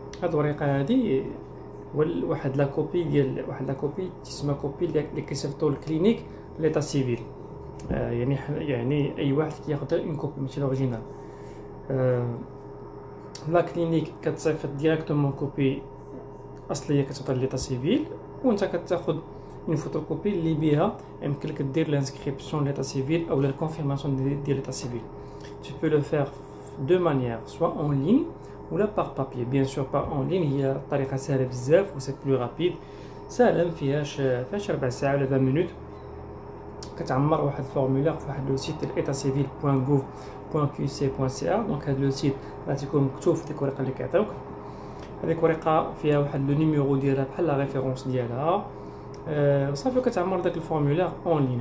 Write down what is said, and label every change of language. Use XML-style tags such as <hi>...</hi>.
<ar>هاد الورقه هادي واحد لا كوبي ديال واحد لا كوبي تسمى كوبي اللي كيصيفطو للكلينيك ليتا سيفيل، يعني اي واحد كياخذ اون كوبي ماشي لوريجينال. لا كلينيك كتصيفط ديريكتومون كوبي اصليه كتعطي ليتا سيفيل وانت كتاخذ اون فوتوكوبي اللي بها يمكن لك دير لانسكريبسيون ليتا سيفيل او لا كونفيرماسيون ديال ليتا سيفيل.</ar> <fr>tu peux le faire de manière soit en ligne ou là par papier. bien sûr pas en ligne il y a</fr> <ar>طريقه ساهله بزاف و</ar> <fr>c'est plus rapide</fr> <ar>ساهله ما فيهاش فاش 4 ساعه ولا 20 مينوت كتعمر واحد الفورمولير في واحد لو سيت etatcivil.gouv.qc.ca. دونك هذا لو سيت غادي يكون مكتوب في ديك الورقه اللي كيعطيوك، هذيك الورقه فيها واحد لو نيميرو ديالها بحال لا ريفيرونس ديالها صافي كتعمر داك الفورمولير اون لين.</ar>